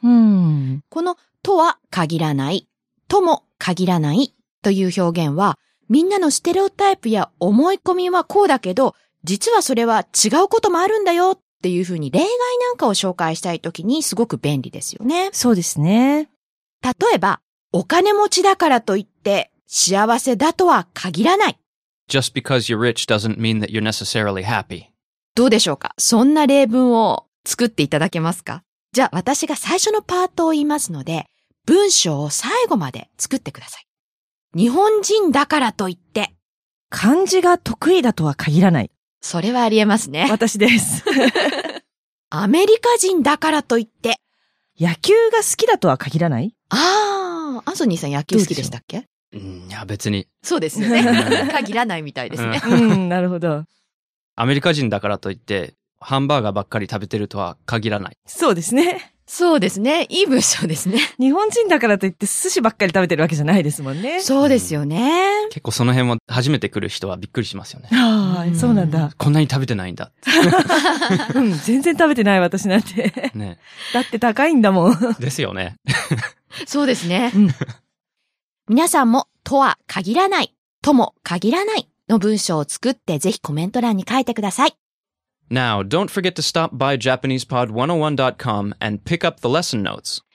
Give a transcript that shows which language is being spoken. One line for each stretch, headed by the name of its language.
Japanese: このとは限らない、とも限らないという表現は、みんなのステレオタイプや思い込みはこうだけど、実はそれは違うこともあるんだよっていうふうに例外なんかを紹介したい時にすごく便利ですよね。そうですね。例えば、お金持ちだからといって幸せだとは限らない。
English: Just because you're rich doesn't mean that you're necessarily happy.
Japanese: どうでしょうか？そんな例文を作っていただけますか？じゃあ私が最初のパートを言いますので、文章を最後まで作ってください。日本人だからといって。漢字が得意だとは限らない。それはありえますね。私です。アメリカ人だからといって。野球が好きだとは限らない？ああ。アンソニーさん野球好きでしたっけ？いや別に。そうですね。限らないみたいですね。うん、なるほど。アメリカ人だからといってハンバーガーばっかり食べてるとは限らない。そうですね。そうですね。いい文章ですね。日本人だからといって寿司ばっかり食べてるわけじゃないですもんね。そうですよね。うん、結構その辺は初めて来る人はびっくりしますよね。ああ、そうなんだ。こんなに食べてないんだ。うん、全然食べてない私なんて。ね。だって高いんだもん。ですよね。そうですね。うん、皆さんも、とは限らない、とも限らないの文章を作ってぜひコメント欄に書いてください。
English: Now, don't forget to stop by JapanesePod101.com and pick up the lesson notes.